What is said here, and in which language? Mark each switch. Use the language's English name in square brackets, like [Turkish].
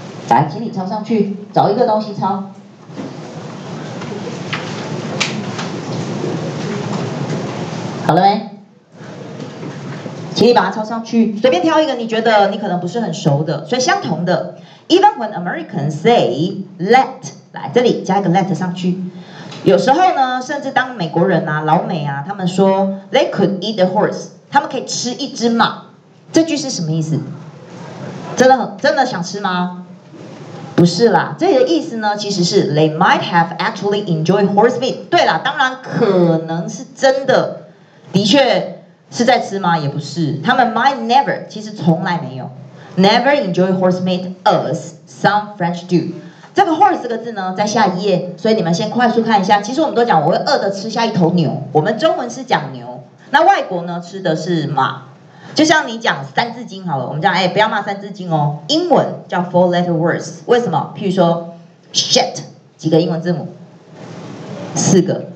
[Chinese] 来，请你抄上去，找一个东西抄。好了没？请你把它抄上去，随便挑一个你觉得你可能不是很熟的，所以相同的。 [English] Even when Americans say let， [Chinese] 来这里加一个 let 上去。有时候呢，甚至当美国人啊、老美啊，他们说 [English] they could eat the horse， [Chinese] 他们可以吃一只马，这句是什么意思？真的想吃吗？不是啦，这个意思呢，其实是 [English] they might have actually enjoyed horse meat。 [Chinese] 对啦，当然可能是真的，的确是在吃吗？也不是，他们 [English] might never， [Chinese] 其实从来没有 [English] never enjoy horse meat as some French do。 [Chinese] 这个 horse 这个字呢，在下一页，所以你们先快速看一下。其实我们都讲我会饿的吃下一头牛，我们中文是讲牛，那外国呢吃的是马。就像你讲三字经好了，我们讲哎，不要骂三字经哦。英文叫 [English] four letter words， [Chinese] 为什么？譬如说 shit 几个英文字母，四个。